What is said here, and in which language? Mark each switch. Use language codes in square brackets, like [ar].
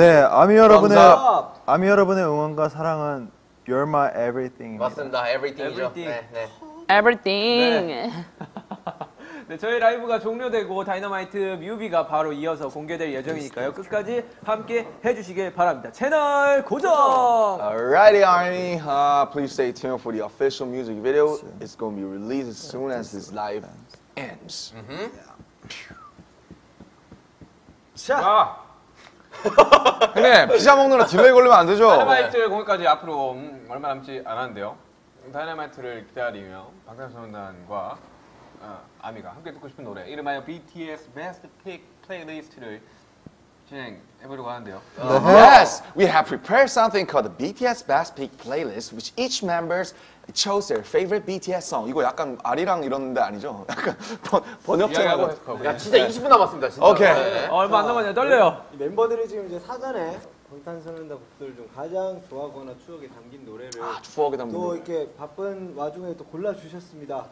[ko] 네, 아미 여러분의 아미 여러분의 응원과 사랑은 [en] You're my everything. [ko] 맞습니다. Everything이죠. [en] Everything. [ko] 네, 네. [en] Everything. [ko] 네. 네, 저희 라이브가 종료되고 다이너마이트 뮤비가 바로 이어서 공개될 예정이니까요. 끝까지 함께 해주시길 바랍니다. 채널 고정! [en] Alrighty, Army. Please stay tuned for the official music video. It's going to be released as soon as this live ends. Mm-hmm. Yeah. 자! [ko] 근데 피자 먹느라 딜레이 걸리면 안 되죠? 다이너마이트 공개까지 앞으로 얼마 남지 않았는데요. 다이너마이트를 기다리며 방탄소년단과 아미가 함께 듣고 싶은 노래 이름하여 BTS Best Pick Playlist를 진행해보려고 하는데요. [en] Yes! We have prepared something called the BTS Best Pick Playlist which each members chose their favorite BTS song. [ko] 이거 약간 아리랑 이런데 아니죠? 약간 번역자가 야 진짜 20분 남았습니다 진짜. 오케이. 얼마 안 남았냐 떨려요. 멤버들이 지금 이제 사전에 방탄소년단 곡들 중 가장 좋아하거나 추억에 담긴 노래를 추억에 담긴 또 노래. 이렇게 바쁜 와중에 또 골라 주셨습니다.